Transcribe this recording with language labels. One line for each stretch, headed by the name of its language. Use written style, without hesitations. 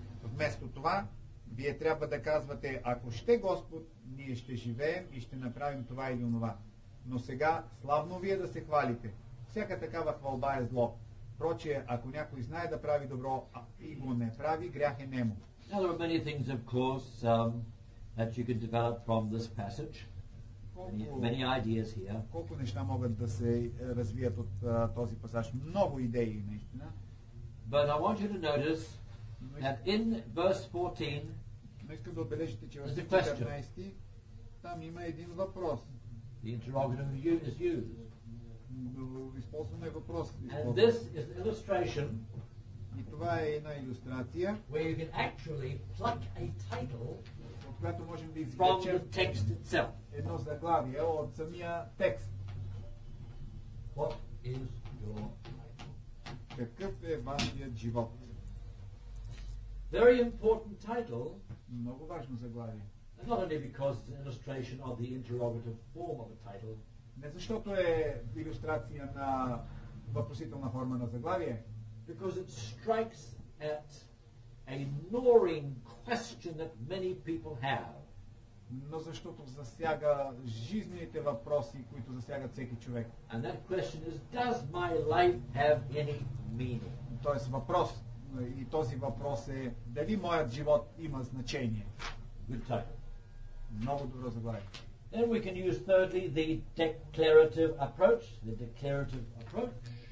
Bulgarian: Вместо това, вие трябва да казвате, ако ще Господ, ние ще живеем и ще направим това или онова. Но сега, славно вие да се хвалите. Всяка такава хвалба е зло. Прочие, ако някой знае да прави добро и го не прави, грях е нему.
English: There are many things, of course, that you could develop from this passage. Many ideas here.
Bulgarian: Колко неща могат да се развият от този пасаж? Много идеи, наистина.
English: But I want you to notice that in verse 14,
Bulgarian: но искам да отбележите, че в 14 там има един въпрос.
English: The interrogative is used.
Bulgarian: Използваме въпрос.
English: And this is an illustration.
Bulgarian: И това е една илюстрация.
English: Where you can actually pluck a title
Bulgarian: което можем да извлечем едно заглавие от самия текст.
English: What is your life?
Bulgarian: Какъв е вашият живот?
English: Very important title.
Bulgarian: Много важно заглавие.
English: And not only because it's an illustration of the interrogative form of a title.
Bulgarian: Не защото е илюстрация на въпросителна форма на заглавие.
English: Because it strikes at a gnawing question that many people have.
Bulgarian: Но защото засяга жизнените въпроси, които засягат всеки човек.
English: And that question is, does my life have any meaning?
Bulgarian: Тоест въпрос, и този въпрос е, дали моят живот има значение?
English: Good title.
Bulgarian: Много добро заглавие.
English: Then we can use thirdly the declarative approach. The declarative approach.